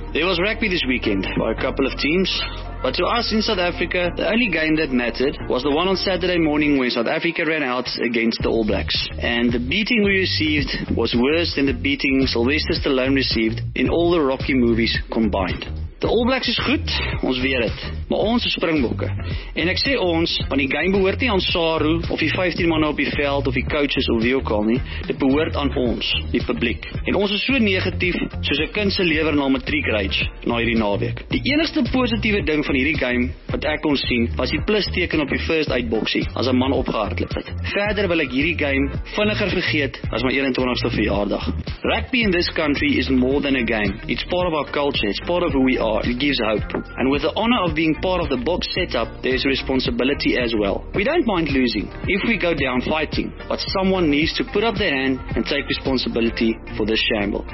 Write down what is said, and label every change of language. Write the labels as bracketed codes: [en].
[en] There was rugby this weekend by a couple of teams. But to us in South Africa, the only game that mattered was the one on Saturday morning when South Africa ran out against the All Blacks. And the beating we received was worse than the beating Sylvester Stallone received in all the Rocky movies combined. [af] The All Blacks is goed, ons weet het, maar ons is Springbokke. En ek sê ons, want die game behoort nie aan Saru, of die 15 manne op die veld, of die coaches, of wie ook al nie. Dit behoort aan ons, die publiek. En ons is so negatief, soos 'n kind se lewer na matriek rage, na hierdie naweek. Die enigste positiewe ding van hierdie game, wat ek kon sien, was die plusteken op die first eight boxie, as 'n man opgehardloop het. Verder wil ek hierdie game vinniger vergeet, as my 21ste verjaardag. [en] Rugby in this country is more than a game. It's part of our culture, it's part of who we are. It gives hope. And with the honor of being part of the box setup, there's responsibility as well. We don't mind losing if we go down fighting, but someone needs to put up their hand and take responsibility for this shamble.